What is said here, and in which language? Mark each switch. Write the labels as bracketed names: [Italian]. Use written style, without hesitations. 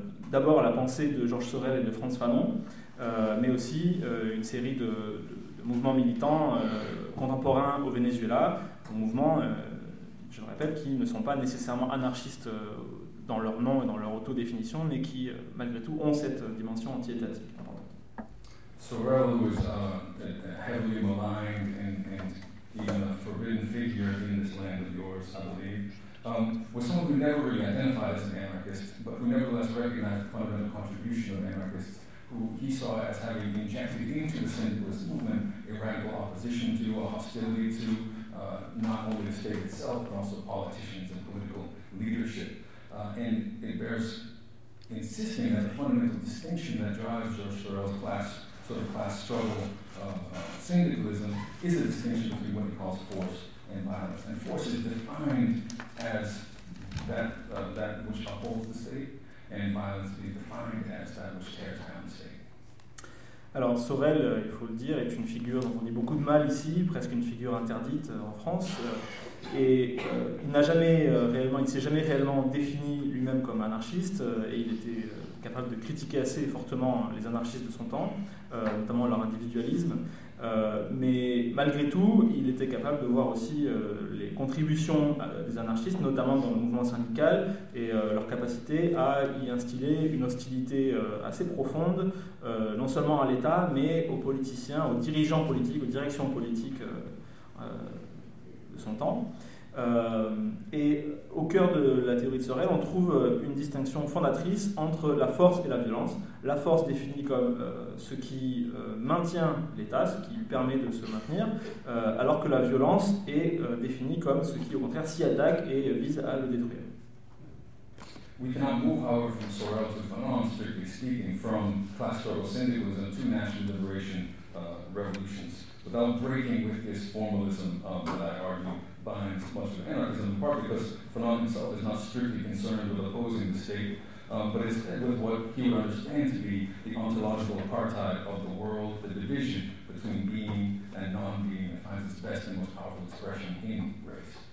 [French] D'abord la pensée de Georges Sorel et de Frantz Fanon, mais aussi une série de mouvements militants contemporains au Venezuela, un mouvement... je le répète, qui ne sont pas nécessairement anarchistes dans leur nom et dans leur autodéfinition, mais qui, malgré tout, ont cette dimension anti-étatique. [English] Sorel, who is a heavily maligned and even a forbidden figure in this land of yours, I believe, was someone who never really identified as an anarchist, but who nevertheless recognized the fundamental contribution of anarchists, who he saw as having injected into the syndicalist movement a radical opposition to, a hostility to, not only the state itself, but also politicians and political leadership. And it bears insisting that the fundamental distinction that drives George Sorel's class, sort of class struggle of syndicalism is a distinction between what he calls force and violence. And force is defined as that, that which upholds the state, and violence is defined as that which tears down the state. [French] Alors Sorel, il faut le dire, est une figure dont on dit beaucoup de mal ici, presque une figure interdite en France, et il ne s'est jamais réellement défini lui-même comme anarchiste, et il était capable de critiquer assez fortement les anarchistes de son temps, notamment leur individualisme, mais malgré tout, il était capable de voir aussi les contributions des anarchistes, notamment dans le mouvement syndical, et leur capacité à y instiller une hostilité assez profonde, non seulement à l'État, mais aux politiciens, aux dirigeants politiques, aux directions politiques de son temps. Et au cœur de la théorie de Sorel, on trouve une distinction fondatrice entre la force et la violence. La force définie comme ce qui maintient l'État, ce qui lui permet de se maintenir, alors que la violence est définie comme ce qui, au contraire, s'y attaque et vise à le détruire. [English] We cannot move, however, from Sorel to Fanon, strictly speaking, from class struggle syndicalism to national liberation revolutions, without breaking with this formalism that I argue binds much of anarchism, in part because Fanon himself is not strictly concerned with opposing the state, but instead with what he would understand to be the ontological apartheid of the world, the division between being and non-being that finds its best and most powerful expression in race.